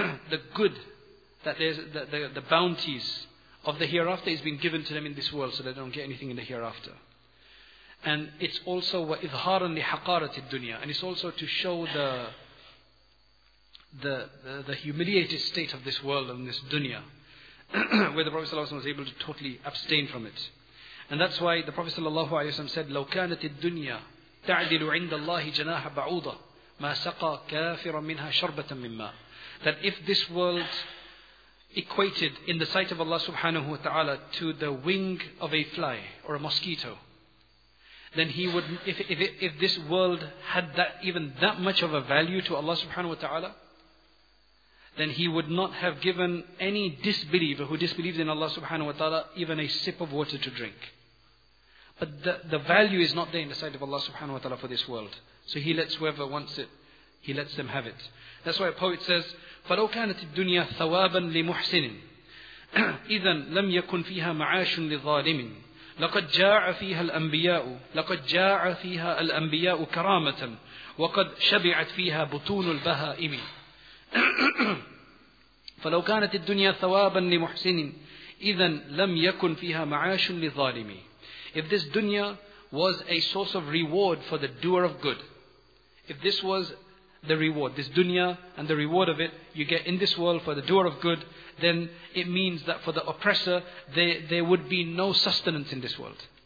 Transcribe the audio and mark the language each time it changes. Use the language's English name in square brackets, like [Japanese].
[English] The good, that the bounties of the hereafter is being given to them in this world, so they don't get anything in the hereafter. And it's also [Arabic] وَإِظْهَارًا لِحَقَارَةِ الدُّنْيَا. [English] And it's also to show the humiliated state of this world and this dunya, where the Prophet ﷺ was able to totally abstain from it. And that's why the Prophet ﷺ said, [Arabic] لَوْ كَانَتِ الدُّنْيَا تَعْدِلُ عِنْدَ اللَّهِ جَنَاهَ بَعُوضَةً مَا سَقَى كَافِرًا مِنْهَا شَرْبَةً مِمَّا. [English] That if this world equated in the sight of Allah subhanahu wa ta'ala to the wing of a fly or a mosquito, then he would, if this world had that, even that much of a value to Allah subhanahu wa ta'ala, then he would not have given any disbeliever who disbelieved in Allah subhanahu wa ta'ala even a sip of water to drink. But the value is not there in the sight of Allah subhanahu wa ta'ala for this world. So he lets whoever wants it, he lets them have it. That's why a poet says, [Arabic] فَلَوْ كَانَتِ الدُّنْيَا ثَوَابًا لِمُحْسِنٍ إِذَنْ لَمْ يَكُنْ فِيهَا مَعَاشٌ لِظَالِمٍ لَقَدْ جَاعَ فِيهَا الْأَنْبِيَاءُ لَقَدْ جَاعَ فِيهَا الْأَنْبِيَاءُ كَرَامَةً وَقَدْ شَبِعَتْ فِيهَا بُطُونُ الْبَهَائِمِ فَلَوْ كَانَتِ الدُّنْيَا ثَوَابًا لِمُحْسِنٍ إِذَنْ لَمْ يَكُنْ فِيهَا مَعَاشٌ لِظَالِمٍ. [English] If this dunya was a source of reward for the doer of good, if this was the reward, this dunya and the reward of it you get in this world for the doer of good, then it means that for the oppressor, there would be no sustenance in this world.